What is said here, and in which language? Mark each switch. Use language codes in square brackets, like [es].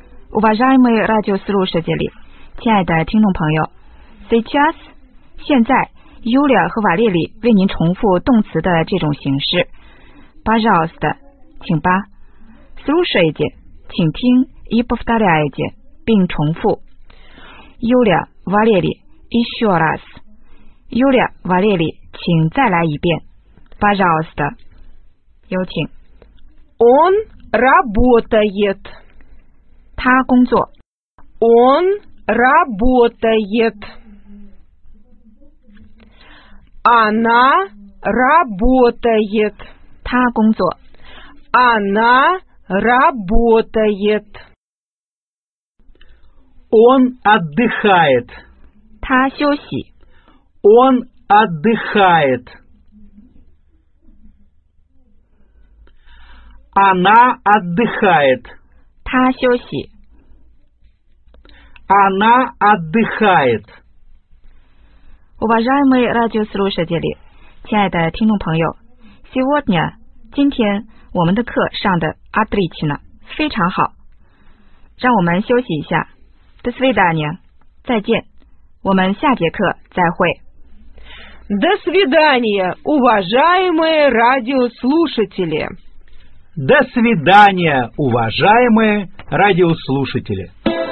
[ru] Уважаемые радиослушатели， [zh] 亲爱的听众朋友， [ru] сейчас， [zh] 现在 Юля 和瓦列里为您重复动词的这种形式。 [ru] Пожалуйста， [zh] 请吧。 [ru] Слушайте， [zh] 请听。 [ru] И повторяйте， [zh] 并重复。 [ru] Юля， Валерий， еще раз。 [zh] Юля， Валерий， 请再来一遍。 [ru] Пожалуйста， [zh] 有请。 [ru] Он работает。 [zh] 他工作。 [ru] Он работает。 Она работает。 [zh] 他工作。 [ru] Она работает。 Он отдыхает。 [zh] 他休息。 [ru] Он отдыхает。 Она отдыхает。 [zh] 他休息。 [ru] Она отдыхает. Уважаемые радиослушатели, [zh] 亲爱的听众朋友 [ru] сегодня, [zh] 今天我们的课上的 [ru] отлично, [zh] 非常好。让我们休息一下。 [ru] До свидания, [zh] 再见。我们下节课再会。 [ru] До свидания, уважаемые радиослушатели! До свидания, уважаемые радиослушатели!